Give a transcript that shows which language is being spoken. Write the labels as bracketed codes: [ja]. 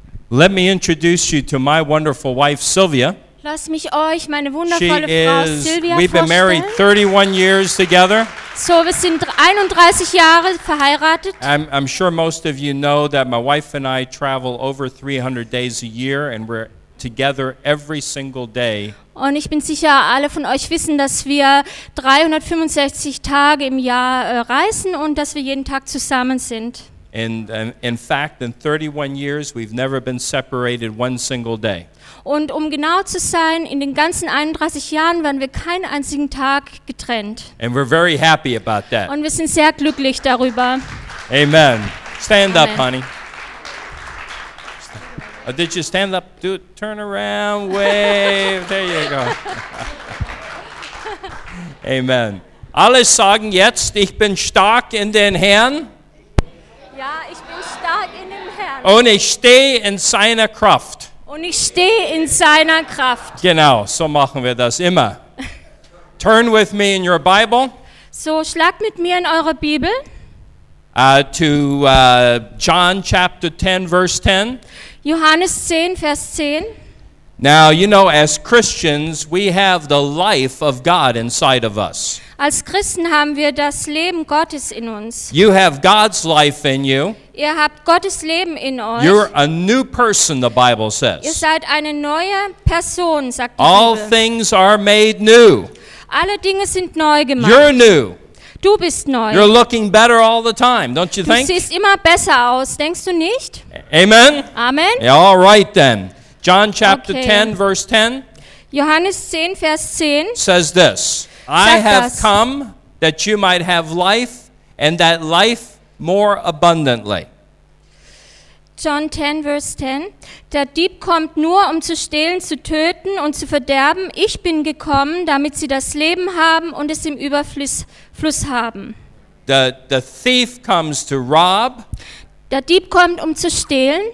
[en] Let me introduce you to my wonderful wife Sylvia. [de] Lass mich euch meine wundervolle Frau Sylvia vorstellen. [en] We've been married 31 years together. [de] So, wir sind 31 Jahre verheiratet. [en] I'm sure most of you know that my wife and I travel over 300 days a year and we're together every single day. [de] Und ich bin sicher, alle von euch wissen, dass wir 365 Tage im Jahr reisen und dass wir jeden Tag zusammen sind. [en] And in fact, in 31 years, we've never been separated one single day. [de] Und um genau zu sein, in den ganzen 31 Jahren waren wir keinen einzigen Tag getrennt. [en] And we're very happy about that. [de] Und wir sind sehr glücklich darüber. [en] Amen. Stand Amen. Up, honey. Oh, did you stand up? Do it, turn around, wave. There you go. Amen. [de] Alle sagen jetzt, ich bin stark in den Herrn. Ja, ich bin stark in dem Herrn. Und ich stehe in seiner Kraft. Und ich stehe in seiner Kraft. Genau, so machen wir das immer. [en] Turn with me in your Bible. [de] So, schlagt mit mir in eure Bibel. [en] To John chapter 10, verse 10. [de] Johannes 10, Vers 10. [en] Now, you know, as Christians, we have the life of God inside of us. [de] Als Christen haben wir das Leben Gottes in uns. [en] You have God's life in you. [de] Ihr habt Gottes Leben in euch. [en] You're a new person, the Bible says. [de] Ihr seid eine neue Person, sagt die [en] All [de] Bibel. [en] All things are made new. [de] Alle Dinge sind neu gemacht. [en] You're new. [de] Du bist neu. [en] You're looking better all the time, don't you [de] du [en] think? [de] Du siehst immer besser aus, denkst du nicht? [en] Amen. Amen. Yeah, all right then. John chapter okay. 10, verse 10. [de] Johannes 10, Vers 10. [en] Says this. I have come that you might have life and that life more abundantly. [de] John 10, Vers 10. Der Dieb kommt nur, um zu stehlen, zu töten und zu verderben. Ich bin gekommen, damit sie das Leben haben und es im Überfluss haben. [en] The thief comes to rob. [de] Der Dieb kommt, um zu stehlen.